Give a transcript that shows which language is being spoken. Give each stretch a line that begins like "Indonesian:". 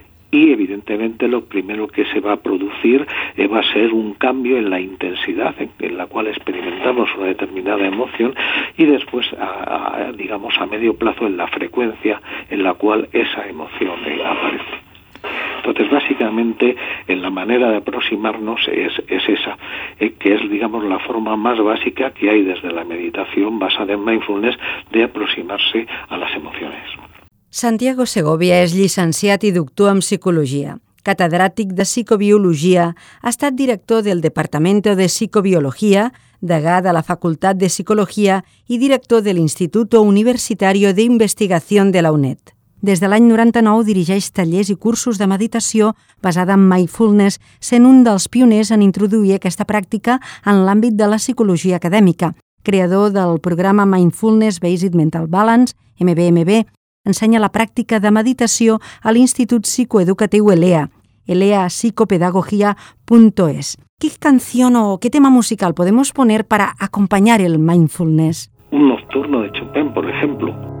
Spanish: Y evidentemente lo primero que se va a producir va a ser un cambio en la intensidad en la cual experimentamos una determinada emoción y después, digamos, a medio plazo, en la frecuencia en la cual esa emoción aparece. Entonces, básicamente, en la manera de aproximarnos es esa, que es, digamos, la forma más básica que hay desde la meditación basada en mindfulness de aproximarse a las emociones.
Catalan: Santiago Segovia és llicenciat i doctor en psicologia. Catedràtic de psicobiologia, ha estat director del Departament de Psicobiologia, degà de la Facultat de Psicologia i director de l'Institut Universitari d'Investigació de la UNED. Des de l'any 99 dirigeix tallers i cursos de meditació basada en mindfulness, sent un dels pioners en introduir aquesta pràctica en l'àmbit de la psicologia acadèmica. Creador del programa Mindfulness Based Mental Balance, MBMB, ensenya la pràctica de meditació a l'Institut Psicoeducatiu ELEA, eleapsicopedagogia.es.
Spanish: ¿Qué canción o qué tema musical podemos poner para acompañar el mindfulness? Un nocturno de Chopin, por ejemplo.